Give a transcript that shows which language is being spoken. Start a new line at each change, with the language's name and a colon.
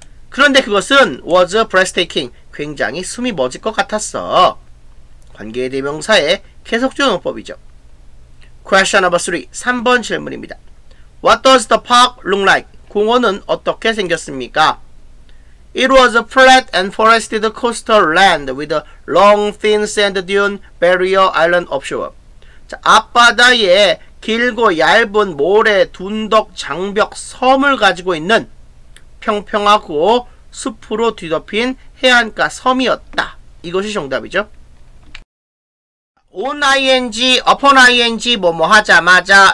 Korean: 그런데 그것은 was breathtaking. 굉장히 숨이 멎을 것 같았어. 관계대명사의 계속적 용법이죠.
English: Question number 3. 3번 질문입니다. What does the park look like?
Korean: 공원은 어떻게 생겼습니까?
English: It was a flat and forested coastal land with a long thin sand dune barrier island offshore.
Korean: 자, 앞바다에 길고 얇은 모래 둔덕 장벽 섬을 가지고 있는 평평하고 숲으로 뒤덮인 해안가 섬이었다. 이것이 정답이죠. on ing, upon ing, 뭐뭐 하자마자.